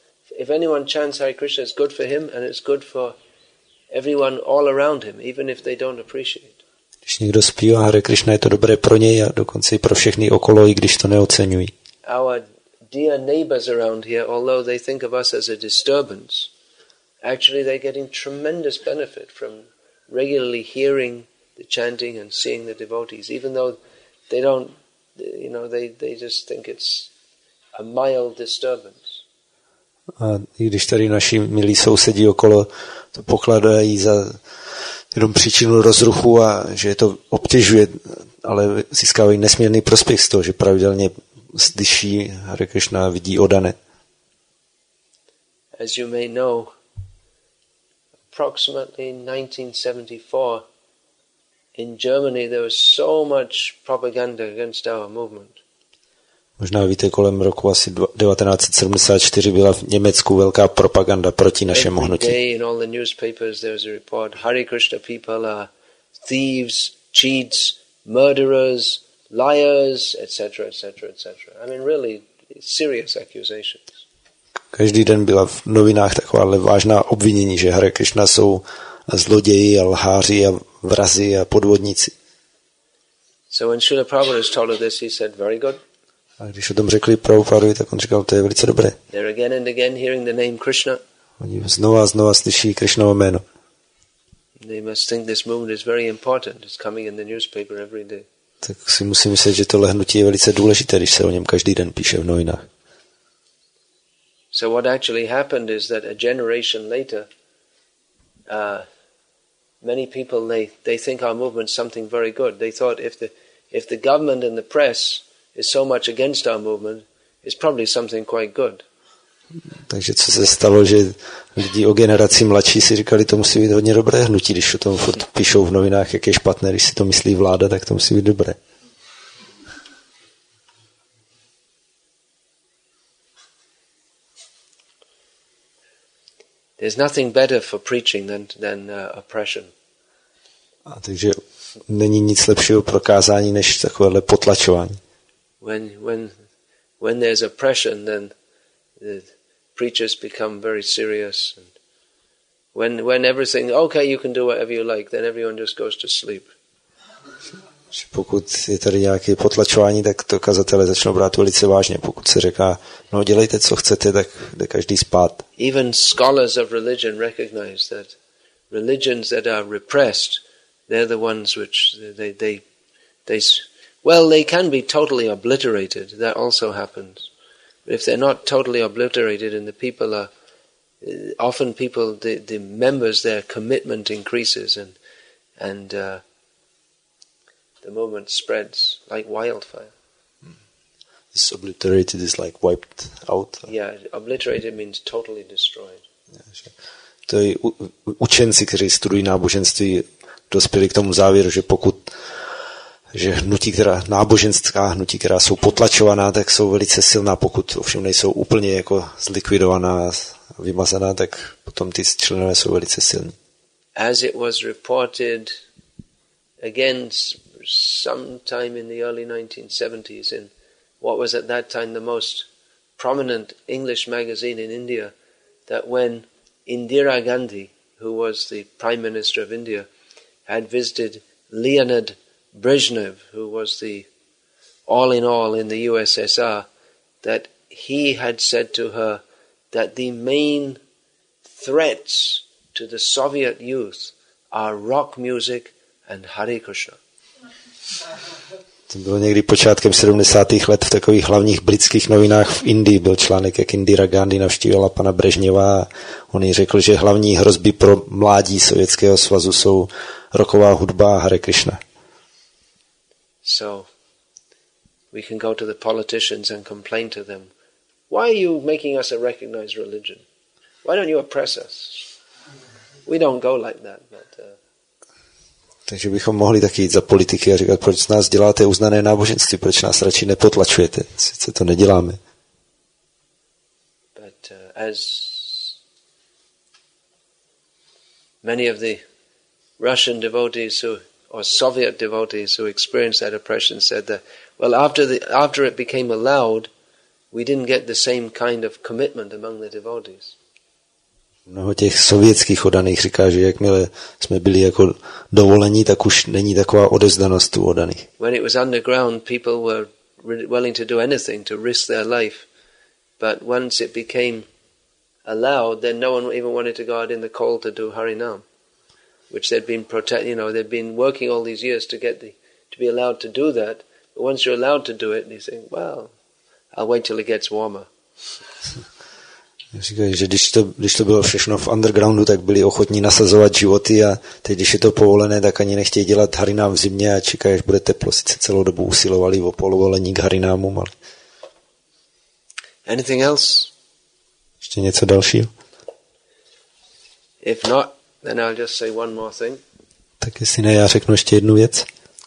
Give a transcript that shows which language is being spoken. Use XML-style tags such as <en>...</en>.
<en>If anyone chants Hare Krishna, it's good for him and it's good for everyone all around him, even if they don't appreciate.</en> <cs>Když někdo zpívá Hare Krishna, je to dobré pro něj a dokonce i pro všechny okolo, i když to neocenují.</cs> <en>Our dear neighbors around here, although they think of us as a disturbance, actually they're getting tremendous benefit from regularly hearing the chanting and seeing the devotees, even though they don't, you know, they just think it's a mild disturbance.</en> <cs>A i když tady naši milí sousedí okolo to pokladají za jenom příčinu rozruchu a že je to obtěžuje, ale získávají nesmírný prospěch z toho, že pravidelně slyší Hare Krishna, vidí odane.</cs> <en>As you may know, approximately 1974 in Germany there was so much propaganda against our movement.</en> <cs>Možná víte, kolem roku asi 1974 byla v Německu velká propaganda proti našemu hnutí.</cs> <en>Every day in all the newspapers there was a report, Hare Krishna people are thieves, cheats, murderers, liars, etc., etc., etc. I mean, really serious accusations.</en> <cs>Každý den byla v novinách taková vážná obvinění, že Hare Krishna jsou zloději a lháři a vrazi a podvodníci.</cs> <en>So when Srila Prabhupada was told of this, he said, very good.</en> <cs>A když o tom řekli Prabhupadovi, tak on říkal, to je velice dobré.</cs> <en>They're again and again hearing the name Krishna.</en> <cs>Oni znova a znova slyší Krishnovo jméno.</cs> <en>They must think this movement is very important. It's coming in the newspaper every day.</en> <cs>Tak si musím myslet, že tohle hnutí je velice důležité, když se o něm každý den píše v novinách.</cs> <en>So what actually happened is that a generation later, many people they think our movement is something very good. They thought if the government and the press is so much against our movement, it's probably something quite good.</en> <cs>Takže co se stalo, že lidi o generaci mladší si říkali, to musí být hodně dobré hnutí, když o tom furt píšou v novinách, jak je špatné, když si to myslí vláda, tak to musí být dobré.</cs> <en>There's nothing better for preaching than oppression.</en> <cs>A takže není nic lepšího pro kázání než takovéhle potlačování.</cs> <en>When there's oppression, then the preachers become very serious. And when everything okay, you can do whatever you like, then everyone just goes to sleep.</en> <cs>Pokud je tady nějaké potlačování, tak to kazatelé začnou brát velice vážně. Pokud se říká, no dělejte, co chcete, tak jde každý spát.</cs> <en>Even scholars of religion recognize that religions that are repressed, they're the ones which they can be totally obliterated. That also happens. But if they're not totally obliterated and the people are, often people, the members, their commitment increases and the movement spreads like wildfire. This obliterated is like wiped out. Yeah, obliterated means totally destroyed.</en> <cs>To je učenci, kteří studují náboženství, dospěli k tomu závěru, že pokud že hnutí, která náboženská hnutí, která jsou potlačovaná, tak jsou velice silná, pokud ovšem nejsou úplně jako zlikvidovaná, vymazaná, tak potom ty členové jsou velice silní.</cs> <en>As it was reported again sometime in the early 1970s in what was at that time the most prominent English magazine in India, that when Indira Gandhi, who was the Prime Minister of India, had visited Leonid Brezhnev, who was the all-in-all in the USSR, that he had said to her that the main threats to the Soviet youth are rock music and Hare Krishna.</en> <cs>To bylo někdy počátkem 70. let v takových hlavních britských novinách v Indii. Byl článek, jak Indira Gandhi navštívila pana Brežněva a on jí řekl, že hlavní hrozby pro mládí Sovětského svazu jsou rocková hudba a Hare Krishna.</cs> <en>So we can go to the politicians and complain to them. Why are you making us a recognized religion? Why don't you oppress us? We don't go like that, but</en> <cs>takže bychom mohli taky jít za politiky a říkat, proč nás děláte uznané náboženství, proč nás radši nepotlačujete, sice to neděláme.</cs> <en>But as many of the Russian devotees who or Soviet devotees who experienced that oppression said that, well, after it became allowed, we didn't get the same kind of commitment among the devotees.</en> <cs>Mnoho těch sovětských odaných říká, že jakmile jsme byli jako dovolení, tak už není taková odezdanost u odaných.</cs> <en>When it was underground, people were willing to do anything to risk their life, but once it became allowed, then no one even wanted to go out in the cold to do Harinam, which they'd been they'd been working all these years to get to be allowed to do that. But once you're allowed to do it, you think, well, I'll wait till it gets warmer.</en> <cs>Říkají, že když to bylo všechno v undergroundu, tak byli ochotní nasazovat životy a teď, když je to povolené, tak ani nechtějí dělat harinám v zimě a čekají, až bude teplo. Sice celou dobu usilovali o povolení k harinámům, ale...</cs> <en>Anything else?</en> <cs>Ještě něco dalšího?</cs> <en>If not, then I'll just say one more thing.</en> <cs>Tak jestli ne, já řeknu ještě jednu věc.</cs>